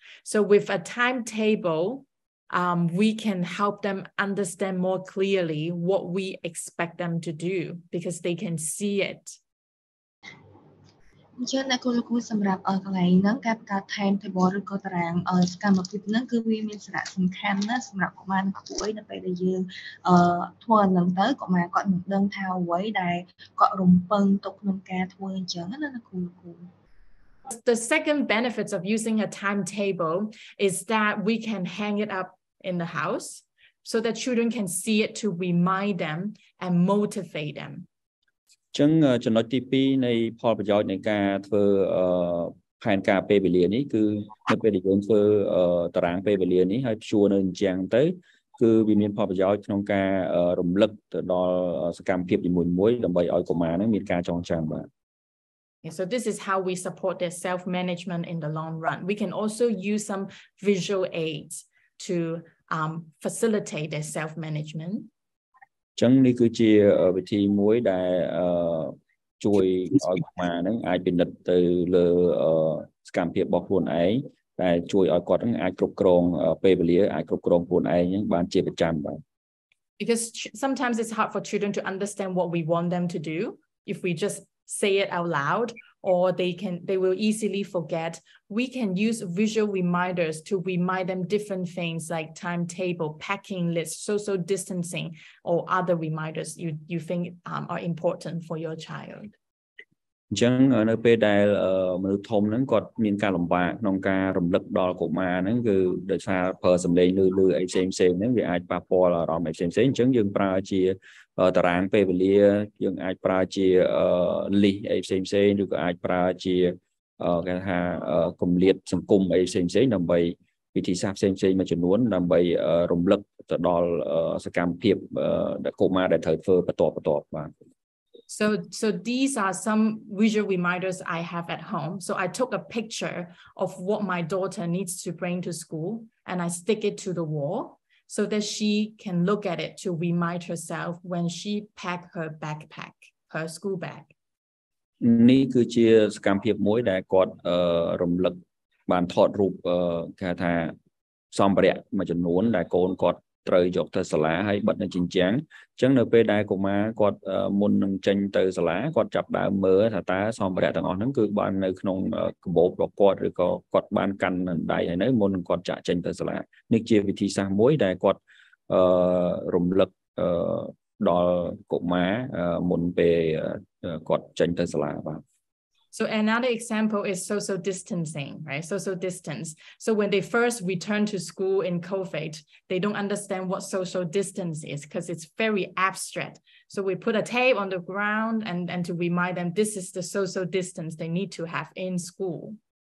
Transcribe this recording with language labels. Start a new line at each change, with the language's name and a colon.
English: So with a timetable,we can help them understand more clearly what we expect them to do because they can see it.
Khmer: អញ្ចឹងអ្នកគូលគូសម្រាប់កន្លែងហ្នឹងការបកថែមទៅបរឬក៏តារាងសកម្មភាពហ្នឹងគឺវាមានសារៈសំខាន់ណាស់សម្រាប់កុមារពួកឯងនៅពេលដែលយើងធ្វើហ្នឹងទៅកុមារគាត់នឹងដឹងថាអ្វីដែលគាត់រំពឹងទុកក្នុងការធ្វើអញ្ចឹងណាអ្នកគូលគូ
English: The second benefits of using a timetable is that we can hang it up in the house so that children can see it to remind them and motivate them.
Khmer: ចឹងចំណុចទី2នៃផលប្រយោជន៍នៃការធ្វើផែនការពេលវេលានេះគឺនៅពេលដែលយើងធ្វើតារាងពេលវេលានេះហើយព្យួរនៅអញ្ចឹងទៅគឺវាមានផលប្រយោជន៍ក្នុងការរំលឹកទៅដល់សកម្មភាពជាមួយមួយដើម្បីឲ្យកុមារនឹងមានការចងចាំបាទ
English: Yeah, so this is how we support their self-management in the long run. We can also use some visual aids to facilitate their self-management.
Khmer: ចឹងនេះគឺជាវិធីមួយដែលជួយឲ្យកុមារហ្នឹងអាចពិនិត្យទៅលើសកម្មភាពរបស់ខ្លួនឯងដែលជួយឲ្យគាត់ហ្នឹងអាចគ្រប់គ្រងពេលវេលាអាចគ្រប់គ្រងខ្លួនឯងហ្នឹងបានជាប្រចាំបាទ
English: Because sometimes it's hard for children to understand what we want them to do if we justsay it out loud or they will easily forget we can use visual reminders to remind them different things like timetable packing list social distancing or other reminders you think are important for your child
Khmer: អញ្ចឹងនៅពេលដែលមនុស្សធំហ្នឹងគាត់មានការលំបាកក្នុងការរំលឹកដល់កុមារហ្នឹងគឺដោយសារប្រើសំឡេងឮអីផ្សេងផ្សេងហ្នឹងវាអាចប៉ះពាល់អារម្មណ៍អីផ្សេងផ្សេងអញ្ចឹងយើងប្រើជាតារាងពេលវេលាយើងអាចប្រើជាលីសអីផ្សេងផ្សេងឬក៏អាចប្រើជាគេថាកំលៀតសង្គមអីផ្សេងផ្សេងដើម្បីវិធីសាស្ត្រផ្សេងផ្សេងមួយចំនួនដើម្បីរំលឹកទៅដល់សកម្មភាពកុមារដែលត្រូវធ្វើបន្តបាទ
English: So these are some visual reminders I have at home. So I took a picture of what my daughter needs to bring to school and I stick it to the wall so that she can look at it to remind herself when she pack her backpack, her school bag.
Khmer: នេះគឺជាសកម្មភាពមួយដែលគាត់រំលឹកបានថតរូបគេថាសម្ភារៈមួយចំនួនដែលកូនគាត់ត្រូវយកទៅសាលាហើយបិទនៅជញ្ជាំងអញ្ចឹងនៅពេលដែលកុមារគាត់មុននឹងចេញទៅសាលាគាត់ចាប់ដើមមើលថាតើសម្ភារៈទាំងអស់ហ្នឹងគឺបាននៅក្នុង កាបូបរបស់គាត់ឬក៏គាត់បានកាន់នៅដៃហើយនៅមុននឹងគាត់ចាក់ចេញទៅសាលានេះជាវិធីសាស្ត្រមួយដែលគាត់រំលឹកដល់កុមារមុនពេលគាត់ចេញទៅសាលាបាទ
English: So another example is social distancing, right? Social distance. So when they first return to school in COVID, they don't understand what social distance is because it's very abstract. So we put a tape on the ground and to remind them this is the social distance they need to have in school.